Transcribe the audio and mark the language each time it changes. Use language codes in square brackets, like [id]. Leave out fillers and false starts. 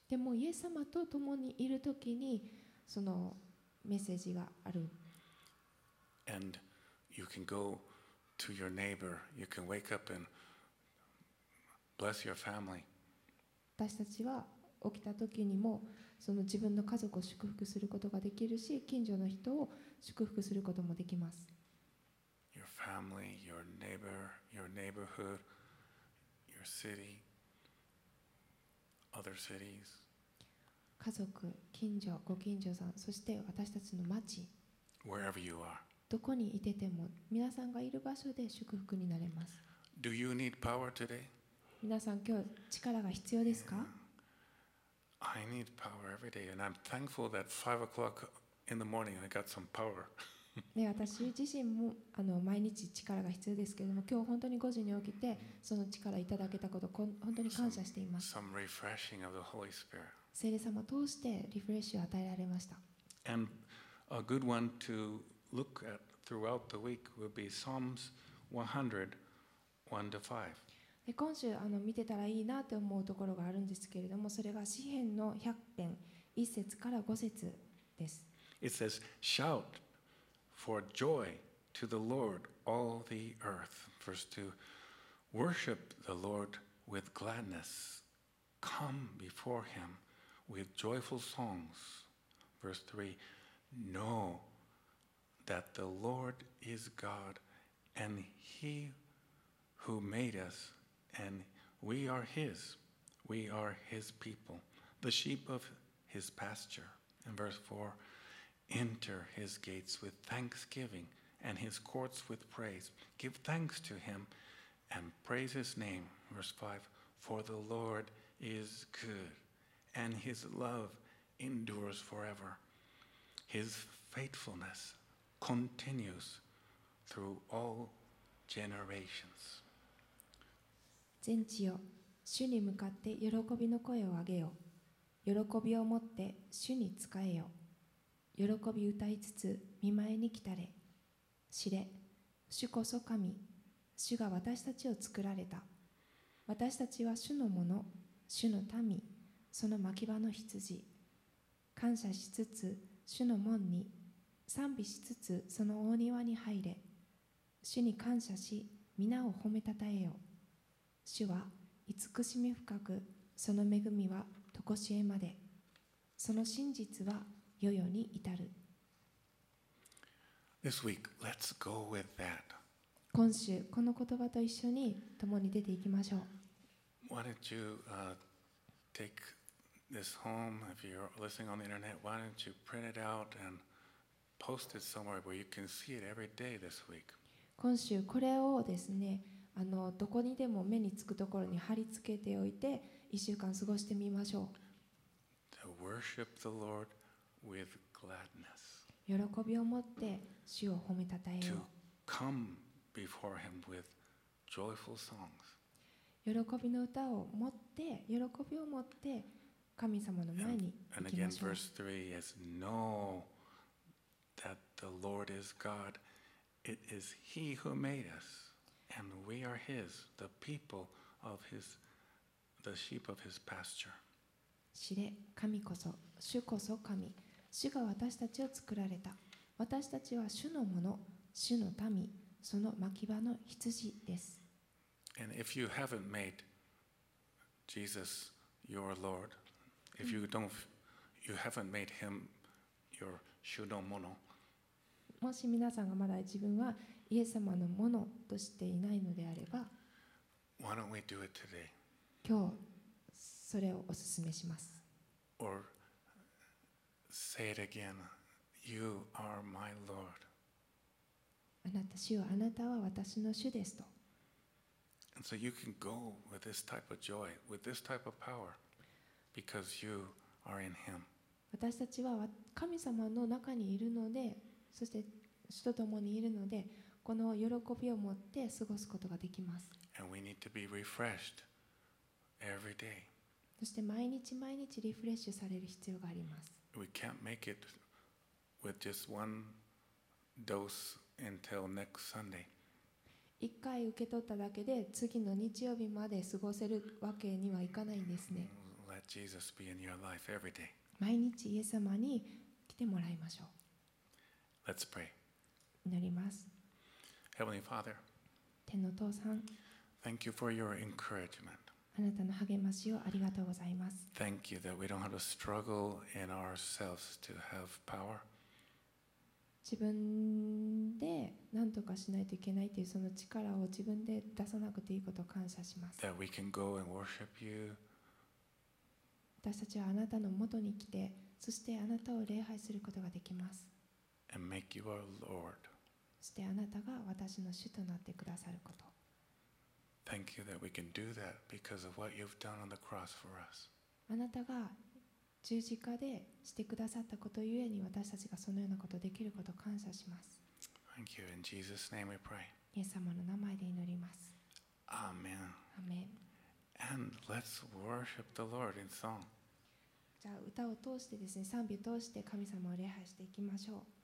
[ja] でもイエス様と共にいるときにそのメッセージがある。 [en] And you can go to your neighbor. You can wake up and bless your family. [ja] 私たちは起きたときにもその自分の家族を祝福することができるし、近所の人を祝福することもできます。 [en] Your family, your neighbor, your neighborhood. Your city, other cities. [ja] 家族、近所、ご近所さん、そして私たちの町。 [en] Wherever you are. [ja] どこにいてても、皆さんがいる場所で祝福になれます。 [en] Do you need power today? [ja] 皆さん今日力が必要ですか？ [en] Yeah. I need power every day, and I'm thankful that 5 o'clock in the morning I got some power. [ja] で私自身もあの毎日力が必要ですけれども、今日本当に5時に起きてその力をいただけたこと、本当に感謝しています。 [en] some refreshing of the Holy Spirit. [ja] 聖霊様を通してリフレッシュを与えられました。 [en] And a good one to look at throughout the week would be Psalms 100:1-5. [ja] 今週あの見てたらいいなと思うところがあるんですけれども、それが詩篇の100編1節から5節です。 [en] It says, shoutFor joy to the Lord, all the earth. Verse 2. Worship the Lord with gladness. Come before him with joyful songs. Verse 3. Know that the Lord is God, and he who made us, and we are his. We are his people, the sheep of his pasture. And verse 4. Enter his gates with thanksgiving and his courts with praise. Give thanks to him and praise his name. Verse 5, for the Lord is good and his love endures forever. His faithfulness continues through all generations. [ja] 全地よ、主に向かって喜びの声を上げよ。喜びを持って主に仕えよ。喜び歌いつつ見舞いに来たれ。知れ、主こそ神、主が私たちを作られた。私たちは主のもの、主の民、その牧場の羊。感謝しつつ主の門に、賛美しつつその大庭に入れ。主に感謝し皆を褒めたたえよ。主は慈しみ深く、その恵みはとこしえまで、その真実は世々に至る。 [en] This week, let's go with that. [ja] 今週この言葉と一緒に共に出ていきましょう。 [en] Why don't you take this home if you're listening on the internet? Why don't you print it out and post it somewhere where you can see it every day this week? [ja] 今週これをですね、あのどこにでも目につくところに貼り付けておいて1週間過ごしてみましょう。 [en] To worship the Lord. With gladness. [ja] 喜びを持って主を褒めたたえよ。 [en] To come before him with joyful songs. [ja] 喜びの歌を持って、喜びを持って神様の前に行きましょう。 [en] And again, verse 3 is know that the Lord is God. It is he who made us, and we are his, the people of his, the sheep of his pasture. [ja] 知れ、神こそ、主こそ神。主が私たちを作られた。私たちは主のもの、主の民、その牧場の羊です。 [en] And if you haven't made Jesus your Lord, if you don't, you haven't made him your [ja] 主のもの。もし皆さんがまだ自分はイエス様のものとしていないのであれば、 [en] Why don't we do it today? [ja] 今日それをお勧めします。 [en] Or,Say it again. You are my Lord. [ja] あなた、主よ、あなたは私の主ですと。 [en] And so you can go with this type of joy, with this type of power, because you are in Him. [ja] 私たちは神様の中にいるので、そして主と共にいるので、この喜びを持って過ごすことができます。 [en] And we need to be refreshed every day. [ja] そして毎日毎日リフレッシュされる必要があります。 [en] We can't make it with just one dose until next Sunday. [ja] 一回受け取っただけで次の日曜日まで過ごせるわけにはいかないんですね。 [en] Let Jesus be in your life every day. [ja] 毎日イエス様に来てもらいましょう。 [en] Let's pray. [ja] 祈ります。 [en] Heavenly Father. [ja] 天の父さん。 [en] Thank you for your encouragement. [ja] あなたの励ましをありがとうございます。 [en] Thank you that we don't have to struggle in ourselves to have power. [ja] 自分で何とかしないといけないというその力を自分で出さなくていいことを感謝します。 [en] That we can go and worship you. [ja] 私たちはあなたの元に来て、そしてあなたを礼拝することができます。 [en] And make you our Lord. [ja] そしてあなたが私の主となってくださること。 [en] Thank you that we can do that because of what you've done on the cross for us. [ja] あなたが十字架でしてくださったことゆえに私たちがそのようなことできることを感謝します。 [en] Thank you. In Jesus' name we pray. [ja] イエス様の名前で祈ります。 [en] Amen. Amen. And let's worship the Lord in song. [ja] じゃあ歌を通してですね、賛美を通して神様を礼拝していきましょう。